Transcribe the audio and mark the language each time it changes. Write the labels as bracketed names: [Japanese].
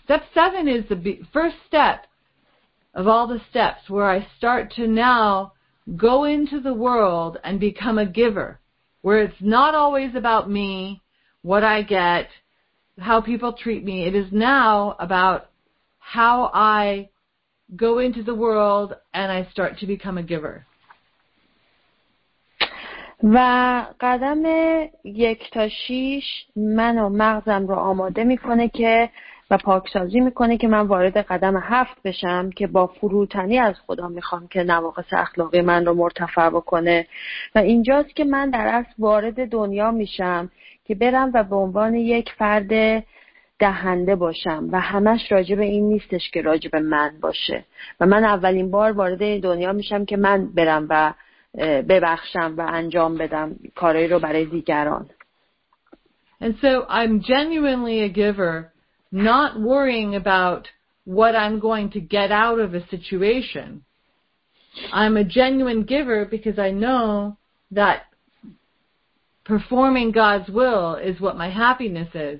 [English] Step 7 is the first step of all the steps where I start to now go into the world and become a giver. Where it's not always about me, what I get, how people treat me. It is now about how I go into the world and I start to become a giver. [Persian] و قدم 1 تا 6 من و مغزم رو آماده میکنه که و پاکسازی میکنه که من وارد قدم 7 بشم که با فروتنی از خدا میخوام که نواقص اخلاقی من رو مرتفع بکنه و اینجاست که من در اصل وارد دنیا میشم که برم و به عنوان یک فرد دهنده باشم و همش راجب این نیستش که راجب من باشه و من اولین بار وارد دنیا میشم که من برم و ببخشم و انجام بدم کارهایی رو برای دیگران. [English] And so I'm genuinely a giver, not worrying about what I'm going to get out of a situation. I'm a genuine giver because I know that performing God's will is what my happiness is.